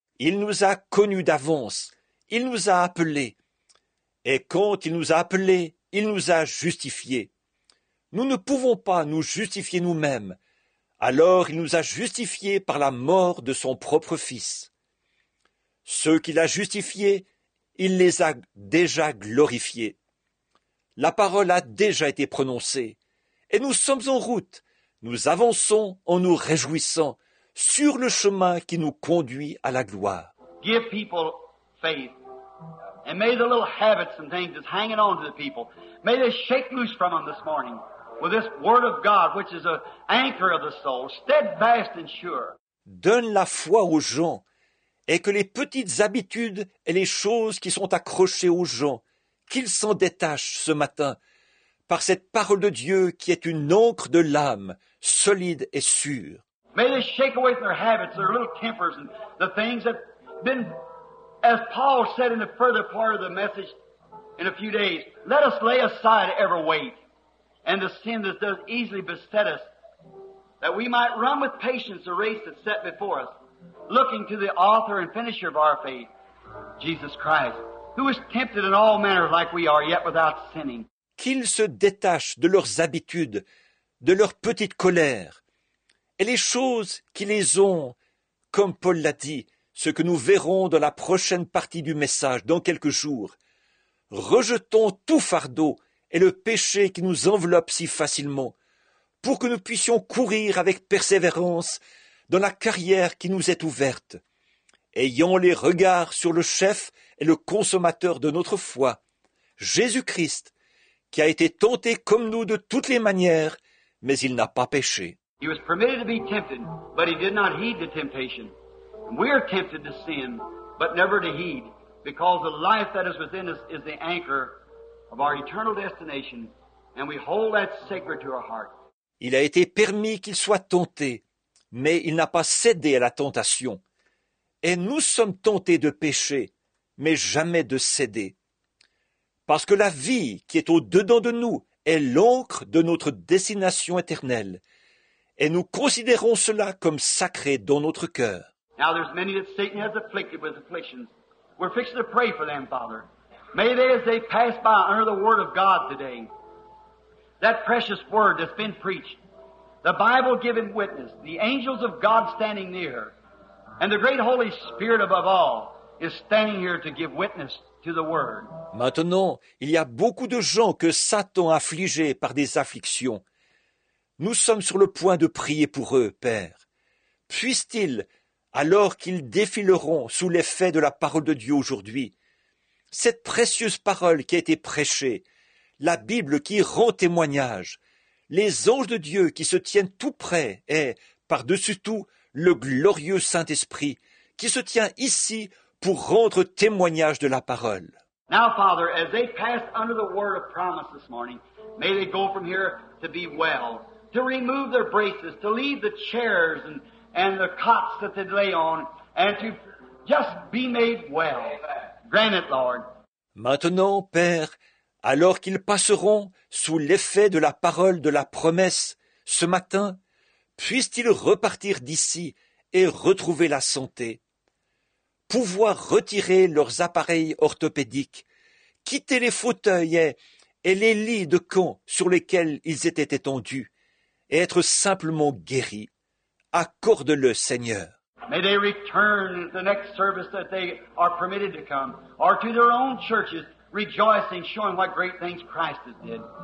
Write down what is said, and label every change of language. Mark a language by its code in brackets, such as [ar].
[fr] Il nous a connus d'avance, il nous a appelés, et quand il nous a appelés, il nous a justifiés. Nous ne pouvons pas nous justifier nous-mêmes, alors il nous a justifiés par la mort de son propre Fils. Ceux qu'il a justifiés, il les a déjà glorifiés. La parole a déjà été prononcée, et nous sommes en route, nous avançons en nous réjouissant sur le chemin qui nous conduit à la gloire. [en] Give people faith, and may the little habits and things that's hanging on to the people, may they shake loose from them this morning with this word of God, which is an anchor of the soul, steadfast and sure. [fr] Donne la foi aux gens, et que les petites habitudes et les choses qui sont accrochées aux gens qu'il s'en détache ce matin par cette parole de Dieu qui est une encre de l'âme, solide et sûre. [en] May they shake away their habits, their little tempers, and the things that have been, as Paul said in the further part of the message in a few days, let us lay aside every weight and the sin that does easily beset us, that we might run with patience the race that's set before us, looking to the author and finisher of our faith, Jesus Christ. Who is tempted in all manner like we are, yet without sinning. [fr] Qu'ils se détachent de leurs habitudes, de leurs petites colères, et les choses qui les ont, comme Paul l'a dit, ce que nous verrons dans la prochaine partie du message, dans quelques jours. Rejetons tout fardeau et le péché qui nous enveloppe si facilement, pour que nous puissions courir avec persévérance dans la carrière qui nous est ouverte, ayant les regards sur le chef et le consommateur de notre foi, Jésus-Christ, qui a été tenté comme nous de toutes les manières, mais il n'a pas péché. [en] He was permitted to be tempted, but he did not heed the temptation. We are tempted to sin, but never to heed, because the life that is within us is the anchor of our eternal destination, and we hold that sacred to our heart. [fr] Il a été permis qu'il soit tenté, mais il n'a pas cédé à la tentation. Et nous sommes tentés de pécher, mais jamais de céder. Parce que la vie qui est au-dedans de nous est l'ancre de notre destination éternelle. Et nous considérons cela comme sacré dans notre cœur. [en] Now there's many that Satan has afflicted with afflictions. We're fixing to pray for them, Father. May they, as they pass by under the word of God today, that precious word that's been preached, the Bible giving witness, the angels of God standing near, and the great Holy Spirit above all is standing here to give witness to the word. [fr] Maintenant, il y a beaucoup de gens que Satan a affligés par des afflictions. Nous sommes sur le point de prier pour eux, Père. Puissent-ils, alors qu'ils défileront sous l'effet de la parole de Dieu aujourd'hui, cette précieuse parole qui a été prêchée, la Bible qui rend témoignage, les anges de Dieu qui se tiennent tout près et, par-dessus tout, le glorieux Saint-Esprit qui se tient ici pour rendre témoignage de la parole. [en] Now, Father, as they pass under the word of promise this morning, may they go from here to be well, to remove their braces, to leave the chairs and the cots that they lay on, and to just be made well. Grant it, Lord. [fr] Maintenant, Père, alors qu'ils passeront sous l'effet de la parole de la promesse ce matin, puissent-ils repartir d'ici et retrouver la santé, pouvoir retirer leurs appareils orthopédiques, quitter les fauteuils et les lits de camp sur lesquels ils étaient étendus, et être simplement guéris. Accorde-le, Seigneur. [en] May they return to the next service that they are permitted to come, or to their own churches, rejoicing, showing what great things Christ has did.